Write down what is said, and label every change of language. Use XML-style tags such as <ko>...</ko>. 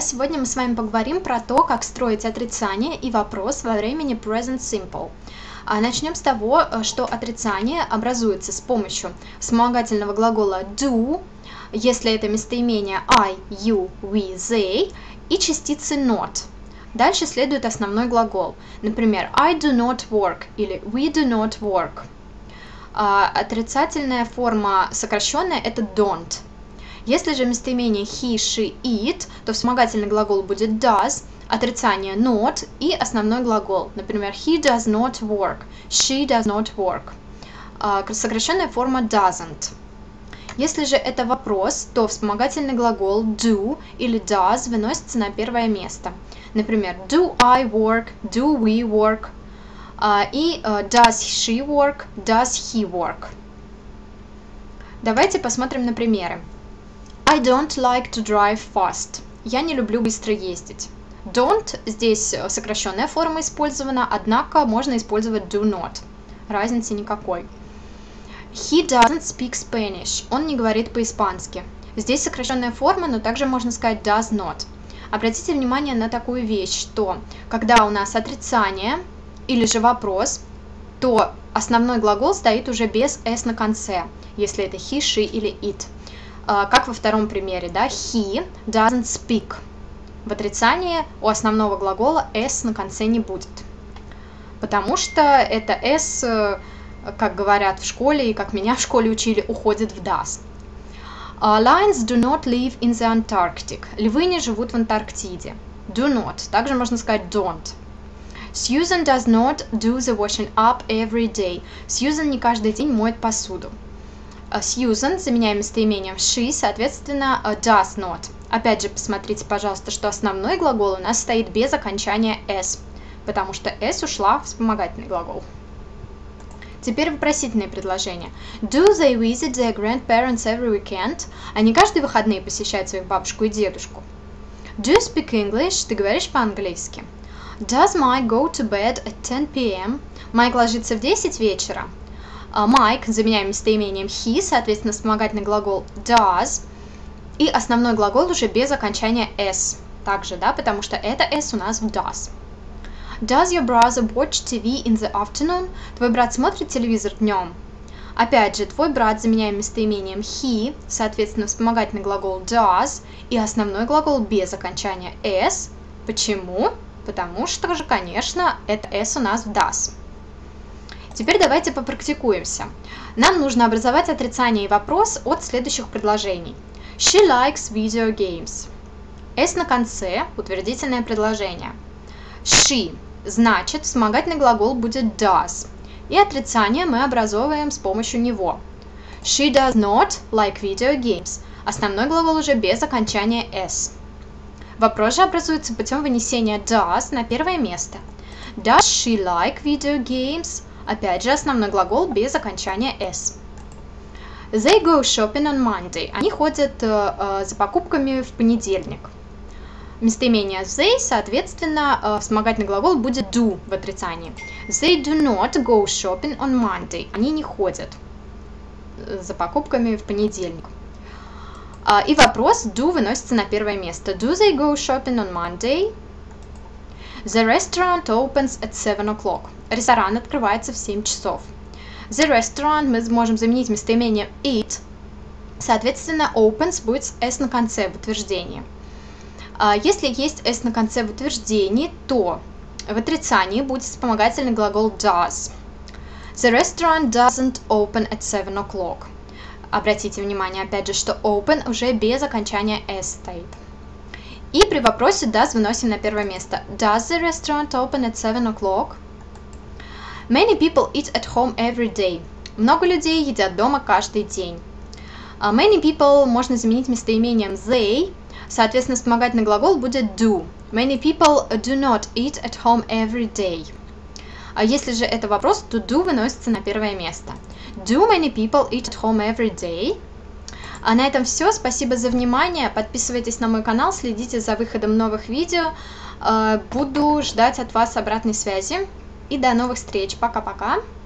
<ru>Сегодня мы с вами поговорим про то, как строить отрицание и вопрос во времени present simple. Начнем с того, что отрицание образуется с помощью вспомогательного глагола do, если это местоимение I, you, we, they, и частицы not. Дальше следует основной глагол, например,</ru> <en>I do not work</en> <ru>или</ru> <en>we do not work.</en> <ru>Отрицательная форма сокращенная – это don't. Если же местоимение he, she, it, то вспомогательный глагол будет does, отрицание not и основной глагол. Например,</ru> <en>he does not work, she does not work.</en> <ru>Сокращенная форма doesn't. Если же это вопрос, то вспомогательный глагол do или does выносится на первое место. Например,</ru> <en>do I work, do we work и does she work, does he work.</en> <ru>Давайте посмотрим на примеры.</ru> <en>I don't like to drive fast.</en> <ru>Я не люблю быстро ездить. Don't здесь сокращенная форма использована, однако можно использовать do not. Разницы никакой.</ru> <en>He doesn't speak Spanish.</en> <ru>Он не говорит по-испански. Здесь сокращенная форма, но также можно сказать does not. Обратите внимание на такую вещь, что когда у нас отрицание или же вопрос, то основной глагол стоит уже без s на конце, если это he, she или it. Как во втором примере, да,</ru> <en>he doesn't speak.</en> <ru>В отрицании у основного глагола s на конце не будет, потому что это s, как говорят в школе и как меня в школе учили, уходит в does.</ru> <en>Lions do not live in the Antarctic.</en> <ru>Львы не живут в Антарктиде.</ru> <en>Do not.</en> <ru>Также можно сказать don't.</ru> <en>Susan does not do the washing up every day.</en> <ru>Susan не каждый день моет посуду. Susan заменяем местоимением she, соответственно, does not. Опять же, посмотрите, пожалуйста, что основной глагол у нас стоит без окончания s, потому что s ушла в вспомогательный глагол. Теперь вопросительные предложения.</ru> <en>Do they visit their grandparents every weekend?</en> <ru>Они каждые выходные посещают свою бабушку и дедушку.</ru> <en>Do you speak English?</en> <ru>Ты говоришь по-английски.</ru> <en>Does Mike go to bed at 10 p.m.?</en> <ru>Майк ложится в 10 вечера. Майк заменяем местоимением he, соответственно, вспомогательный глагол does. И основной глагол уже без окончания s. Также, да, потому что это s у нас в does.</ru> <en>Does your brother watch TV in the afternoon?</en> <ru>Твой брат смотрит телевизор днем? Опять же, твой брат заменяем местоимением he, соответственно, вспомогательный глагол does и основной глагол без окончания s. Почему? Потому что же, конечно, это s у нас в does. Теперь давайте попрактикуемся. Нам нужно образовать отрицание и вопрос от следующих предложений.</ru> <en>She likes video games.</en> <ru>S на конце, утвердительное предложение. She, значит, вспомогательный глагол будет does. И отрицание мы образовываем с помощью него.</ru> <en>She does not like video games.</en> <ru>Основной глагол уже без окончания s. Вопрос же образуется путем вынесения does на первое место.</ru> <en>Does she like video games?</en> <ru>Опять же, основной глагол без окончания s.</ru> <en>They go shopping on Monday.</en> <ru>Они ходят за покупками в понедельник. Местоимение they, соответственно, вспомогательный глагол будет do в отрицании.</ru> <en>They do not go shopping on Monday.</en> <ru>Они не ходят за покупками в понедельник. И вопрос do выносится на первое место.</ru> <en>Do they go shopping on Monday? The restaurant opens at 7 o'clock.</en> <ru>Ресторан открывается в 7 часов. The restaurant мы можем заменить местоимением it. Соответственно, opens будет с s на конце в утверждении. Если есть s на конце в утверждении, то в отрицании будет вспомогательный глагол does.</ru> <en>The restaurant doesn't open at 7 o'clock.</en> <ru>Обратите внимание, опять же, что open уже без окончания s стоит. И при вопросе does выносим на первое место.</ru> <en>Does the restaurant open at 7 o'clock? Many people eat at home every day.</en> <ru>Много людей едят дома каждый день. Many people можно заменить местоимением they. Соответственно, вспомогательный глагол будет do.</ru> <en>Many people do not eat at home every day.</en> <ru>А если же это вопрос, то do выносится на первое место.</ru> <en>Do many people eat at home every day?</en> <ru>А на этом все. Спасибо за внимание. Подписывайтесь на мой канал, следите за выходом новых видео. Буду ждать от вас обратной связи. И до новых встреч. Пока-пока.</ru>